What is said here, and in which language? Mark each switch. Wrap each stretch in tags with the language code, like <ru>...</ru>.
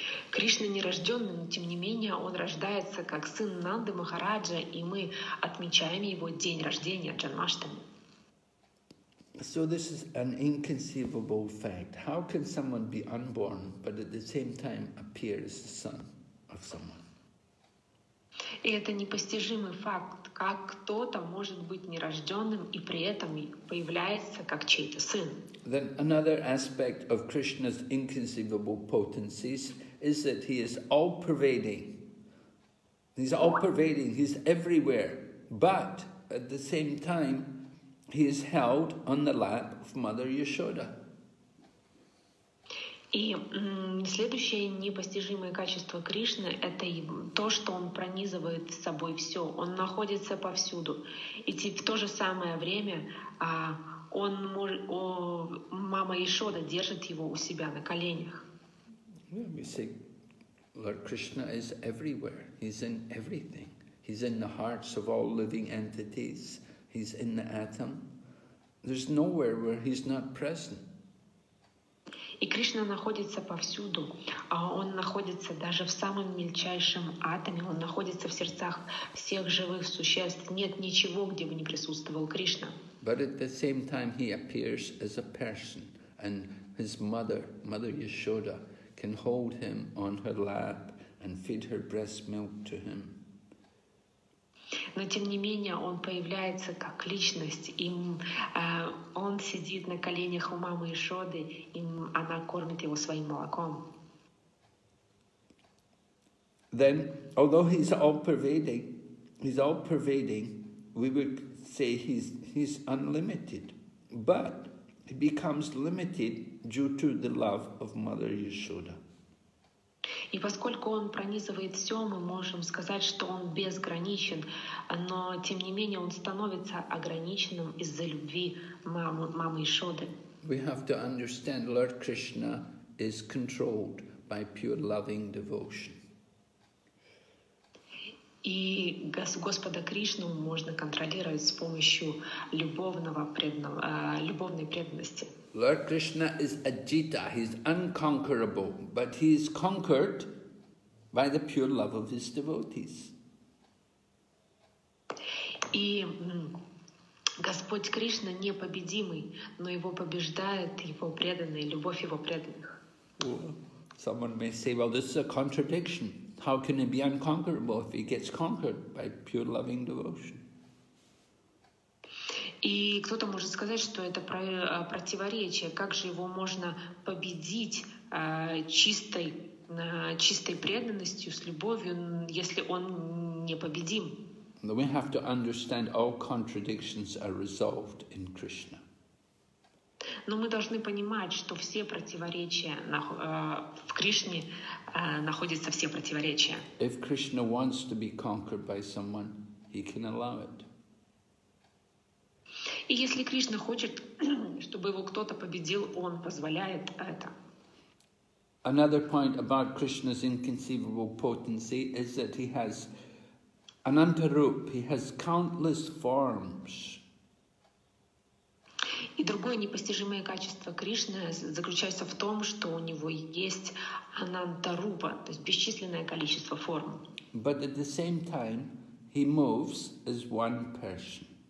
<ru>Кришна нерожденный, но тем не менее он рождается как сын Нанды Махараджа, и мы отмечаем его день рождения, Janmashtami.</ru> <en>So this is an inconceivable fact. How can someone be unborn, but at the same time appear as the son of someone?</en> <ru>И это непостижимый факт, как кто-то может быть нерожденным и при этом появляется как чей-то сын.</ru> <en>Then another aspect of Krishna's inconceivable potencies is that he is all-pervading. He's all-pervading, he's everywhere, but at the same time, he is held on the lap of Mother Yashoda.</en> <ru>И следующее непостижимое качество Кришны — это то, что он пронизывает с собой всё. Он находится повсюду. И в то же самое время мама Яшода держит его у себя на коленях.</ru> <en>Yeah, we say Lord Krishna is everywhere. He's in everything. He's in the hearts of all living entities. He's in the atom. There's nowhere where he's not present.</en> <ru>И Кришна находится повсюду, а он находится даже в самом мельчайшем атоме, он находится в сердцах всех живых существ. Нет ничего, где бы не присутствовал Кришна.</ru> <en>But at the same time he appears as a person, and his mother, Mother Yashoda, can hold him on her lap and feed her breast milk to him.</en> <ru>Но тем не менее он появляется как личность, и он сидит на коленях у мамы Яшоды, и она кормит его своим молоком.</ru> <en>Then, although he's all pervading, we would say he's unlimited, but he becomes limited due to the love of Mother Yashoda.</en> <ru>И поскольку он пронизывает все, мы можем сказать, что он безграничен, но тем не менее он становится ограниченным из-за любви мамы Яшоды.</ru> <en>We have to understand Lord Krishna is controlled by pure loving devotion.</en> <ru>И Господа Кришну можно контролировать с помощью любовной преданности.</ru> <en>Lord Krishna is Ajita, he's unconquerable, but he is conquered by the pure love of his devotees.</en> <ru>И Господь Кришна непобедимый, но его побеждает его преданные, любовь его преданных.</ru> <en>Someone may say, well, this is a contradiction. How can he be unconquerable if he gets conquered by pure loving devotion?</en> <ru>И кто-то может сказать, что это противоречие. Как же его можно победить чистой преданностью, с любовью, если он непобедим?</ru> <en>We have to understand all contradictions are resolved in Krishna.</en> <ru>Но мы должны понимать, что все противоречия в Кришне находятся все противоречия.</ru> <en>If Krishna wants to be conquered by someone, he can allow it.</en> <ru>И если Кришна хочет, чтобы его кто-то победил, он позволяет это.</ru> <en>Another point about Krishna's inconceivable potency is that he has anantarup, he has countless forms.</en> <ru>И другое непостижимое качество Кришны заключается в том, что у него есть анантарупа, то есть бесчисленное количество форм.</ru> <en>But at the same time, He moves as one person.</en>